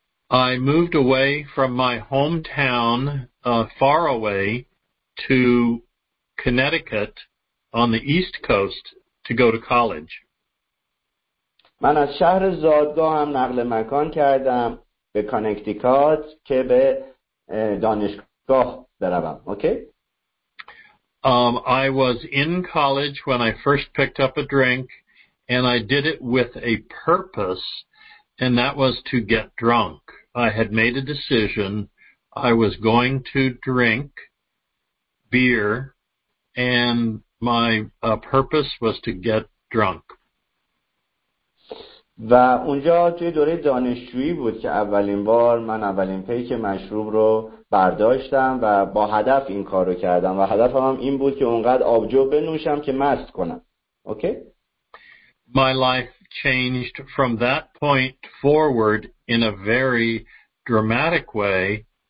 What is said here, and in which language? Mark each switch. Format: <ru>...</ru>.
<en>I moved away from my hometown far away to Connecticut on the east coast to go to college.</en> <fa>من از شهر زادگاهم نقل مکان کردم به کانکتیکات که به دانشگاه بروم. اوکی؟</fa> <en>I was in college when I first picked up a drink and I did it with a purpose and that was to get drunk. I had made a decision I was going to drink beer, and my purpose was to get drunk.</en> <fa>و اونجا توی دوره دانشجویی بود که اولین بار من اولین پیک مشروب رو برداشتم و با هدف این کار رو کردم و هدفم هم این بود که اونقدر آبجو بنوشم که مست کنم. اوکی؟</fa> <en>My life changed from that point forward in a very dramatic way.</en>